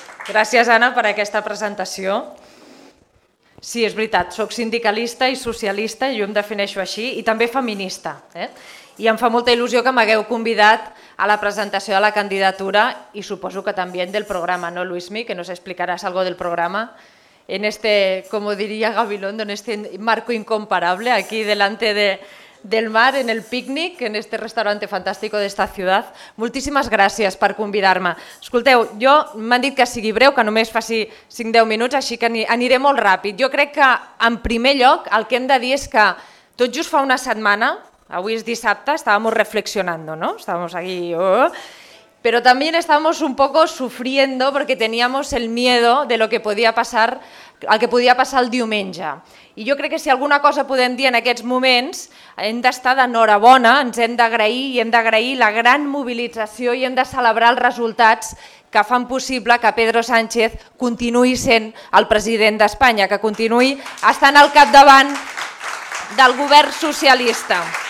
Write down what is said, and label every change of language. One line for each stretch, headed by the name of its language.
Catalan: Gràcies, Anna, per aquesta presentació. Sí, és veritat, soc sindicalista i socialista, jo em defineixo així, i també feminista. I em fa molta il·lusió que m'hagueu convidat a la presentació de la candidatura i suposo que també del programa, no, Luismi, que nos explicaràs algo del programa.
Spanish: En este, como diría Gabilondo, en este marco incomparable, aquí delante del mar, en el pícnic, en este restaurante fantástico d'esta ciutat.
Catalan: Moltíssimes gràcies per convidar-me. Escolteu, jo m'han dit que sigui breu, que només faci 5-10 minuts, així que aniré molt ràpid. Jo crec que, en primer lloc, el que hem de dir és que tot just fa una setmana, avui és dissabte,
Spanish: estàvamos reflexionando,
Catalan: ¿no?
Spanish: Estábamos aquí... Pero también estábamos un poco sufriendo porque teníamos el miedo de lo que podía pasar, al que podía pasar el diumenge.
Catalan: I jo crec que si alguna cosa podem dir en aquests moments, hem d'estar d'enhorabona, ens hem d'agrair i hem d'agrair la gran mobilització i hem de celebrar els resultats que fan possible que Pedro Sánchez continuï sent el president d'Espanya, que continuï estant al capdavant del govern socialista.